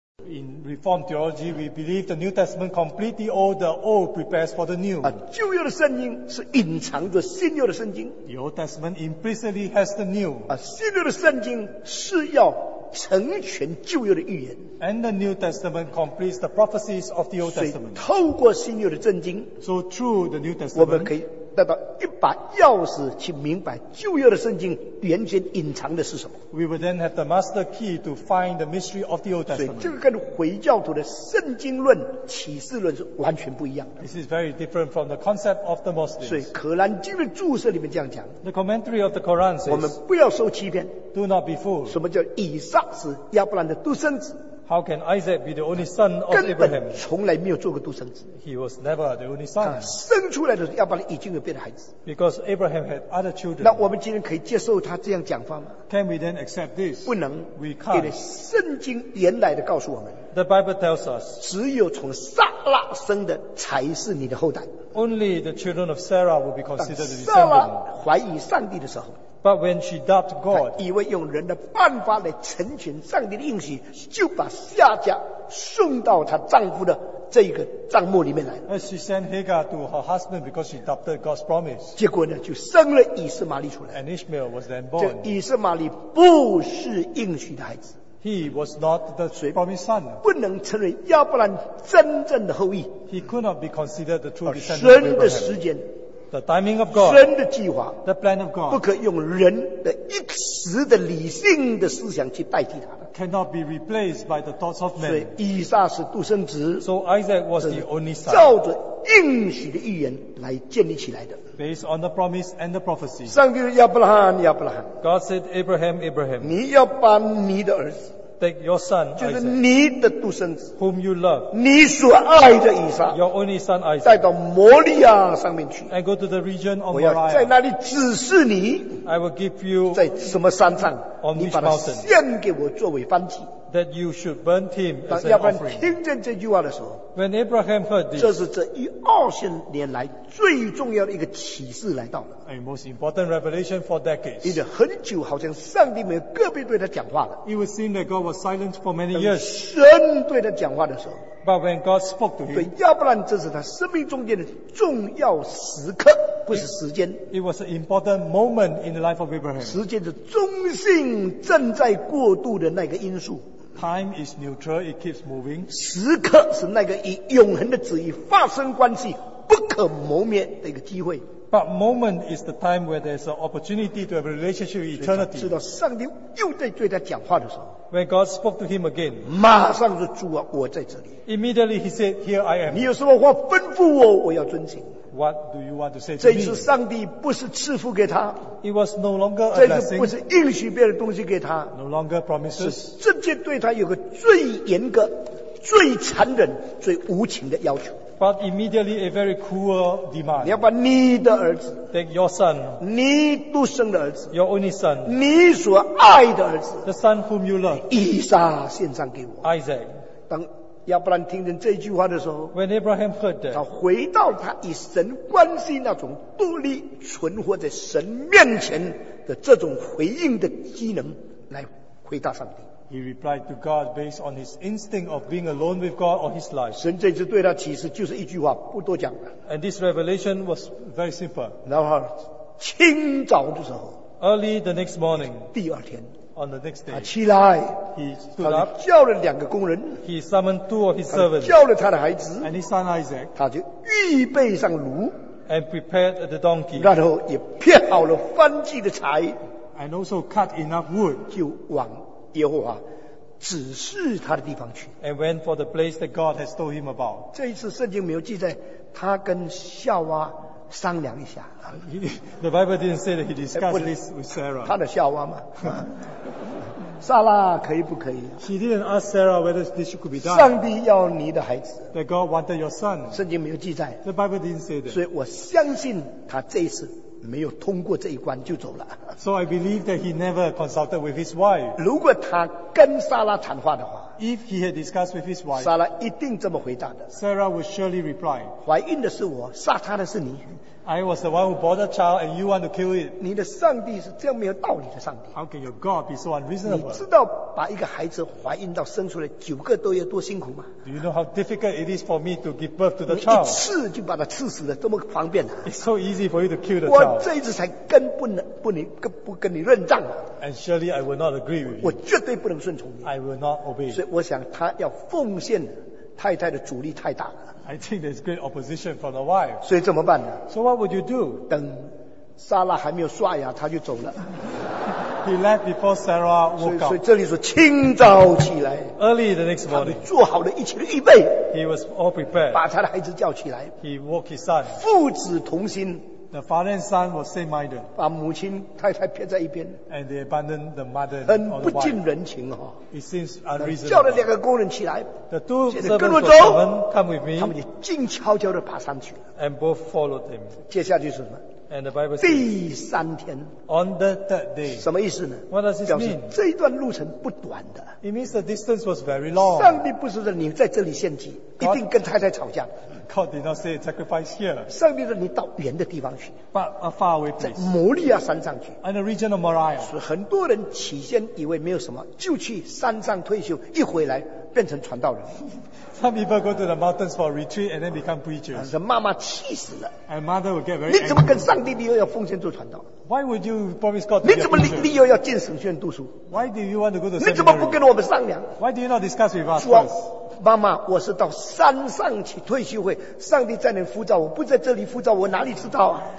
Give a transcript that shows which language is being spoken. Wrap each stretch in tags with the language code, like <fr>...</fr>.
<en>In Reformed theology, we believe the New Testament completes the old. The old prepares for the new.</en> <zh>旧约的圣经是隐藏着新约的圣经。</zh> <en>The Old Testament implicitly has the new.</en> <zh>新约的圣经是要成全旧约的预言。</zh> <en>And the New Testament completes the prophecies of the Old Testament.</en> <zh>透过新约的圣经</zh> <en>，So through the New Testament,</en> <zh>我们可以得到一把钥匙去明白旧约的圣经原先隐藏的是什么。</zh> <en>We will then have the master key to find the mystery of the Old Testament.</en> <zh>所以这个跟回教徒的圣经论、启示论是完全不一样的。</zh> <en>This is very different from the concept of the Muslims.</en> <zh>所以《可兰经》的注释里面这样讲。</zh> <en>The commentary of the Quran says,</en> <zh>我们不要受欺骗。</zh> <en>Do not be fooled.</en> <zh>什么叫以撒是亚伯兰的独生子？</zh> <en>How can Isaac be the only son of Abraham?</en> <zh>根本从来没有做过独生子。</zh> <en>He was never the only son.</en> <zh>他生出来的时候，亚伯兰已经有别的孩子。</zh> <en>Because Abraham had other children.</en> <zh>那我们今天可以接受他这样讲法吗？</zh> <en>Can we then accept this?</en> <zh>不能。</zh> <en>We can't.</en> <zh>因为圣经原来的告诉我们，</zh> <en>The Bible tells us,</en> <zh>只有从撒拉生的才是你的后代。</zh> <en>Only the children of Sarah will be considered the descendant.</en> <zh>当撒拉怀疑上帝的时候，</zh> <en>But when she doubted God,</en> <zh>以为用人的办法来成全上帝的应许，就把夏甲送到她丈夫的这个帐幕里面来。</zh> <en>And she sent Hagar to her husband because she doubted God's promise.</en> <zh>结果呢，就生了以实玛利出来。</zh> <en>And Ishmael was then born.</en> <zh>这以实玛利不是应许的孩子。</zh> <en>He was not the promised son.</en> <zh>不能成为亚伯兰真正的后裔。</zh> <en>He could not be considered the true descendant of Abraham.</en> <zh>神的时间。</zh> <en>The timing of God,</en> <zh>神的计划</zh> <en>the plan of God,</en> <zh>不可用人的一时的理性的思想去代替他的</zh> <en>cannot be replaced by the thoughts of men.</en> <zh>所以以撒是独生子</zh> <en>so Isaac was the only son,</en> <zh>照着应许的预言来建立起来的</zh> <en>based on the promise and the prophecy.</en> <zh>上帝亚伯拉罕亚伯拉罕</zh> <en>God said Abraham Abraham,</en> <zh>你要把你的儿子</zh> <en>take your son,</en> <zh>就是你的独生子</zh> <en>whom you love,</en> <zh>你所爱的以撒</zh> <en>your only son Isaac,</en> <zh>带到摩利亚上面去</zh> <en>and go to the region of Moriah.</en> <zh>我要在那里指示你</zh> <en>I will give you,</en> <zh>在什么山上</zh> <en>on which</en> <zh>你把它献给我作为燔祭</zh> <en>that you should burn him as an offering.</en> <zh>亚伯兰听见这句话的时候</zh> <en>when Abraham heard this,</en> <zh>这是这一二千年来最重要的一个启示来到了</zh> <en>a most important revelation for decades.</en> <zh>一直很久好像上帝没有个别对他讲话了</zh> <en>it would seem that God was silent for many years.</en> <zh>神对他讲话的时候</zh> <en>But when God spoke to him,</en> <zh>对，要不然这是他生命中间的重要时刻，不是时间。</zh> <en>It was an important moment in the life of Abraham.</en> <zh>时间是中性正在过渡的那个因素。</zh> <en>Time is neutral, it keeps moving.</en> <zh>时刻是那个以永恒的旨意发生关系不可磨灭的一个机会。</zh> <en>But moment is the time where there's an opportunity to have a relationship with eternity.</en> <zh>知道上帝又在对他讲话的时候。</zh> <en>When God spoke to him again,</en> <zh>马上就主啊，我在这里。</zh> <en>Immediately he said, "Here I am."</en> <zh>你有什么话吩咐我，我要遵行。</zh> <en>What do you want to say to me?</en> <zh>这次上帝不是赐福给他。</zh> <en>It was no longer a blessing.</en> <zh>这次不是应许别的东西给他。</zh> <en>No longer promises.</en> <zh>是直接对他有个最严格、最残忍、最无情的要求。</zh> <en>But immediately a very cruel demand.</en> <zh>你要把你的儿子</zh> <en>take your son,</en> <zh>你独生的儿子</zh> <en>your only son,</en> <zh>你所爱的儿子</zh> <en>the son whom you love,</en> <zh>以撒献上给我</zh> <en>Isaac.</en> <zh>当亚伯兰听见这句话的时候</zh> <en>when Abraham heard that,</en> <zh>他回到他与神关系那种独立存活在神面前的这种回应的机能来回答上帝。</zh> <en>He replied to God based on his instinct of being alone with God or his life.</en> <zh>神这次对他启示就是一句话，不多讲了。</zh> <en>And this revelation was very simple.</en> <zh>然后清早的时候</zh> <en>，early the next morning，</en> <zh>第二天</zh> <en>，on the next day，</en> <zh>他起来</zh> <en>，he stood up，</en> <zh>叫了两个工人</zh> <en>，he summoned two of his servants，</en> <zh>叫了他的孩子</zh> <en>，and his son Isaac，</en> <zh>他就预备上炉</zh> <en>，and prepared the donkey，</en> <zh>然后也撇好了燔祭的柴</zh> <en>，and also cut enough wood，</en> <zh>就往。耶和华指示他的地方去。</zh> <en>And went for the place that God has told him about.</en> <zh>这一次圣经没有记载他跟夏娃商量一下。</zh> <en>The Bible didn't say that he discussed this with Sarah.</en> <zh>他的夏娃嘛，撒拉可以不可以</zh> <en>？She didn't ask Sarah whether this could be done.</en> <zh>上帝要你的孩子。</zh> <en>That God wanted your son.</en> <zh>圣经没有记载。</zh> <en>The Bible didn't say that.</en> <zh>所以我相信他这一次。没有通过这一关就走了。</zh> <en>So I believe that he never consulted with his wife.</en> <zh>如果他跟莎拉谈话的话</zh> <en>If he had discussed with his wife,</en> <zh>Sarah 一定这么回答的。</zh> <en>Sarah would surely reply,</en> <zh>怀孕的是我，杀他的是你。</zh> <en>I was the one who bore the child, and you want to kill it.</en> <zh>你的上帝是这样没有道理的上帝。</zh> <en>How can your God be so unreasonable?</en> <zh>你知道把一个孩子怀孕到生出来九个多月多辛苦吗？</zh> <en>Do you know how difficult it is for me to give birth to the child?</en> <zh>你一次就把他刺死了，多么方便啊！</zh> <en>It's so easy for you to kill the child.</en> <zh>我这一次才跟不跟你认账啊！</zh> <en>And surely I will not agree with you.</en> <zh>我绝对不能顺从你。</zh> <en>I will not obey.</en> <zh>所以我想他要奉献太太的阻力太大了。</zh> <en>I think there's great opposition from the wife.</en> <zh>所以怎么办呢？</zh> <en>So what would you do?</en> <zh>等莎拉还没有刷牙，他就走了。</zh> <en>He left before Sarah woke up.</en> <zh>所以这里说清早起来。</zh> <en>Early the next morning.</en> <zh>做好了一切的预备。</zh> <en>He was all prepared.</en> <zh>把他的孩子叫起来。</zh> <en>He woke his son.</en> <zh>父子同心。</zh> <en>The father and son were same-minded.</en> <zh>把母亲太太撇在一边。</zh> <en>And they abandoned the mother.</en> <zh>很不近人情哦。</zh> <en>It seems unreasonable.</en> <zh>叫了两个工人起来。</zh> <en>The two servants were servant, come with me.</en> <zh>他们就静悄悄地爬上去。</zh> <en>And both followed him.</en> <zh>接下去是什么？</zh> <en>And the Bible says,</en> <zh>第三天</zh> <en>on the third day,</en> <zh>什么意思呢？</zh> <en>What does this mean?</en> <zh>表示这一段路程不短的。</zh> <en>It means the distance was very long.</en> <zh>上帝不是说你在这里献祭一定跟太太吵架。</zh> <en>God did not say sacrifice here.</en> <zh>上帝说你到远的地方去，</zh> <en>but a far away place,</en> <zh>在摩利亚山上去。</zh> <en>In the region of Moriah.</en> <zh>所以很多人起先以为没有什么，就去山上退休，一回来变成传道人。</zh> <en>Some people go to the mountains for a retreat and then become preachers.</en> <zh>妈妈气死了。</zh> <en>And mother will get very angry.</en> <zh>你怎么跟上帝立约要奉献做传道？</zh> <en>Why would you promise God to be a preacher?</en> <zh>你怎么立约要进神学院读书？</zh> <en>Why do you want to go to seminary?</en> <zh>你怎么不跟我们商量？</zh> <en>Why do you not discuss with us first?</en> <zh>妈妈，我是到山上去退休会，上帝在那呼召我，不在这里呼召我，哪里知道啊？</zh>